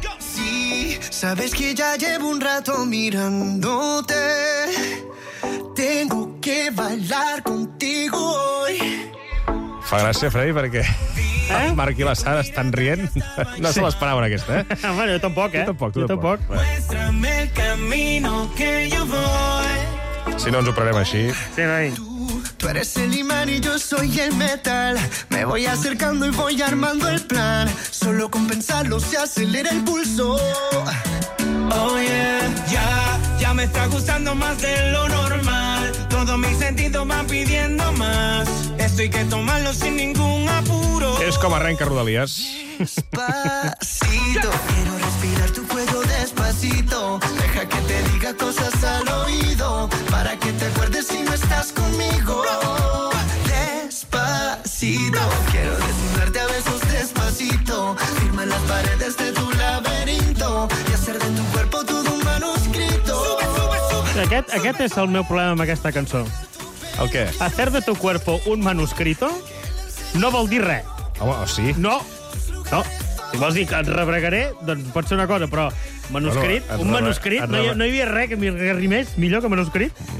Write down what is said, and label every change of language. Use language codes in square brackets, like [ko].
[es] Sí, sabes que ya llevo un rato mirándote. Tengo que bailar contigo hoy. [ca] Fa gràcia, Freddy, perquè el Marc i la Sara estan rient. No se l'esperaven, aquesta, eh? Bueno, jo tampoc, eh? Tu tampoc. [es] Muéstrame el camino que yo voy. [ca] Si no, ens ho prenem així. Sí, noi. [es] Tú eres el imán y yo soy el metal. Me voy acercando y voy armando el plan. Solo con pensarlo se acelera el pulso. [en] Oh yeah. [es] Ya me está gustando más de lo normal. Todos mis sentidos van pidiendo más. Esto hay que tomarlo sin ningún apuro. Es como arranca Rodalías. Despacito. Quiero respirar tu cuello despacito. Deja que te diga cosas al oído. Para que te acuerdes si no estás conmigo. Despacito. Quiero desnudarte a besos despacito. Firma las paredes de tu laberinto. Y hacer de tu cuerpo todo un manuscrito. Sube. [ca] Aquest és el meu problema amb aquesta cançó. El què? [es] Hacer de tu cuerpo un manuscrito [ca] no vol dir res. Home, o sí? No. No. Si vols dir que et rebregaré, doncs pot ser una cosa, però manuscrit, bueno, manuscrit, no hi havia res que m'arrimés millor que manuscrit.